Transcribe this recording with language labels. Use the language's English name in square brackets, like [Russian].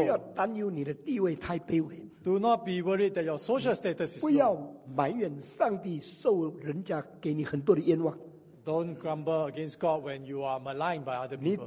[Chinese] 你不要担忧你的地位太卑微。 [English] Do not be worried that your social status is low. [Chinese] 不要埋怨上帝受人家给你很多的冤枉。 [English] Don't grumble against God when you are maligned by other people.